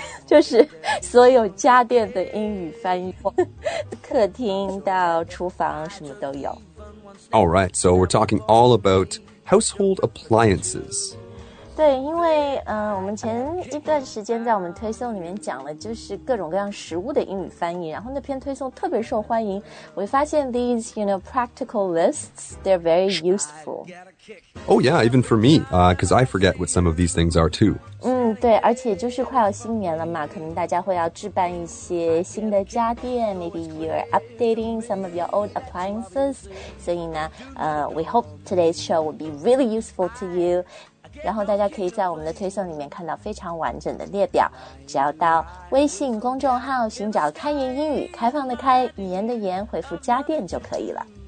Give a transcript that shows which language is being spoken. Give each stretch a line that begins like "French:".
Chinese: 就是所有家电的英语翻译，客厅到厨房什么都有。
English: All right, so we're talking all about household appliances.
Chinese: 对，因为我们前一段时间在我们推送里面讲了就是各种各样食物的英语翻译，然后那篇推送特别受欢迎。我发现
English: these, you know, practical lists, they're very useful. Oh yeah, even for me, because I forget what some of these things are too.
Chinese: 对，而且就是快要新年了嘛，可能大家会要置办一些新的家电，
English: maybe you're updating some of your old appliances.
Chinese: 所以呢，
English: we hope today's show will be really useful to you.
Chinese: 然后大家可以在我们的推送里面看到非常完整的列表，只要到微信公众号寻找开言英语，开放的开，语言的言，回复家电就可以了。